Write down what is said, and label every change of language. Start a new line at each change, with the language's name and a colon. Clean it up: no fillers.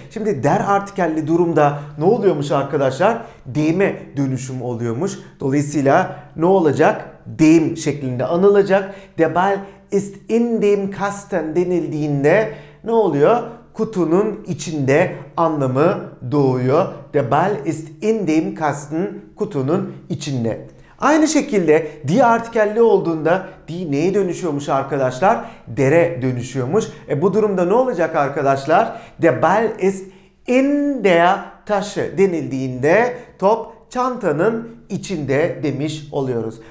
Turkish: Şimdi der artikelli durumda ne oluyormuş arkadaşlar? Dem'e dönüşüm oluyormuş. Dolayısıyla ne olacak? Dem şeklinde anılacak.
German: Der Ball ist in dem Kasten
Turkish: denildiğinde ne oluyor? Kutunun içinde anlamı doğuyor.
German: Der Ball ist in dem Kasten,
Turkish: kutunun içinde. Aynı şekilde die artikelli olduğunda die neye dönüşüyormuş arkadaşlar? Der'e dönüşüyormuş. E bu durumda ne olacak arkadaşlar?
German: Der Ball ist in der Tasche
Turkish: denildiğinde top çantanın içinde demiş oluyoruz.